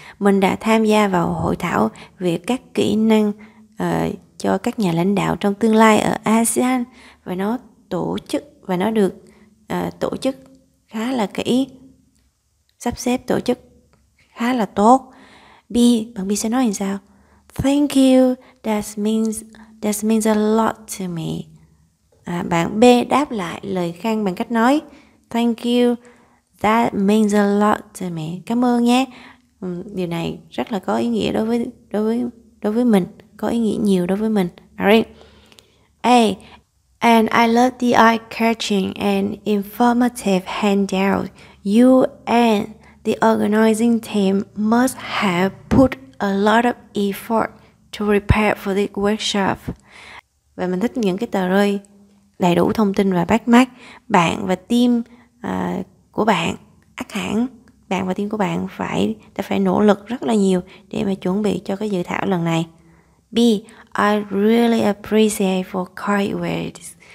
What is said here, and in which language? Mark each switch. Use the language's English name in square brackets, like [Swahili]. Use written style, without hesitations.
[Vietnamese] Mình đã tham gia vào hội thảo về các kỹ năng cho các nhà lãnh đạo trong tương lai ở ASEAN. Và nó tổ chức và nó được tổ chức khá là kỹ. Sắp xếp tổ chức khá là tốt. B, bạn B sẽ nói làm sao? [English] Thank you, that means a lot to me. [Vietnamese] Bạn B đáp lại lời khen bằng cách nói [English] thank you, that means a lot to me. [Vietnamese] Cảm ơn nhé. Điều này rất là có ý nghĩa đối với mình, có ý nghĩa nhiều đối với mình. [English] Alright. A, and I love the eye-catching and informative handout you and the organizing team must have put a lot of effort to prepare for this workshop. [Vietnamese] Và mình thích những cái tờ rơi đầy đủ thông tin và bắt mắt. Bạn và team của bạn, ác hẳn, bạn và team của bạn đã phải nỗ lực rất là nhiều để mà chuẩn bị cho cái dự thảo lần này. [English] B, I really appreciate for kind words.